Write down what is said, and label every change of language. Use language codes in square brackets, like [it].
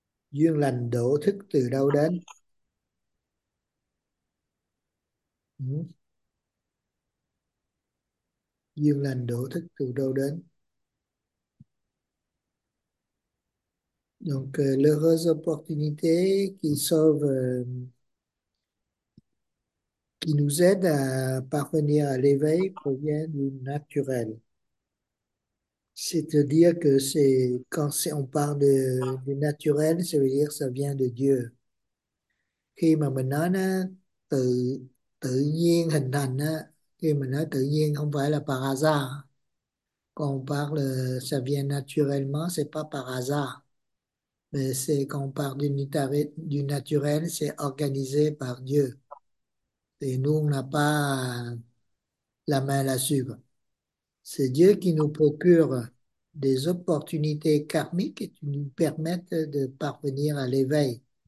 [vi] Duyên lành đổ thức từ đâu đến? Duyên lành đổ thức từ đâu đến? [fr] Donc, l'heureuse opportunité qui sauve, qui nous aide à parvenir à l'éveil provient du naturel. C'est-à-dire que c'est quand on parle de du naturel, ça veut dire que ça vient de Dieu. [vi] Khi mà mình nói là tự tự nhiên hình thành á, khi mình nói tự nhiên không phải là [fr] par hasard. Quand on parle ça vient naturellement, c'est pas par hasard. Mais c'est quand on parle du naturel, c'est organisé par Dieu. Et nous, on n'a pas la main là-dessus. C'est Dieu qui nous procure des opportunités karmiques qui nous permettent de parvenir à l'éveil.